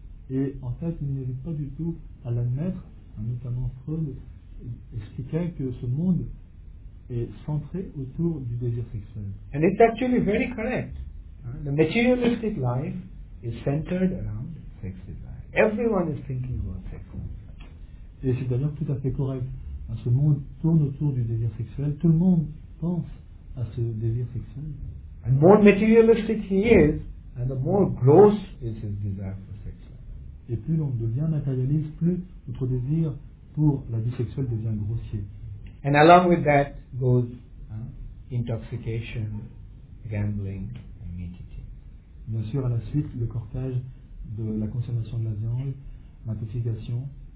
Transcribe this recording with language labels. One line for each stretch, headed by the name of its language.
French: Et en fait, il n'hésite pas du tout à l'admettre, notamment Freud, expliquant que ce monde est centré autour du désir sexuel.
English: And it's actually very correct. The materialistic life is centered around sex desire. Everyone is thinking about sex.
French: Et c'est d'ailleurs tout à fait correct. Ce monde tourne autour du désir sexuel. Tout le monde pense à ce désir sexuel.
English: And more materialistic he is, and the more gross is his desire for sex.
French: Et plus on devient matérialiste, plus notre désir pour la vie sexuelle devient grossier.
English: And along with that goes intoxication, gambling, and meat eating.
French: Bien sûr, à la suite, le cortège de la consommation de la viande, l'intoxication.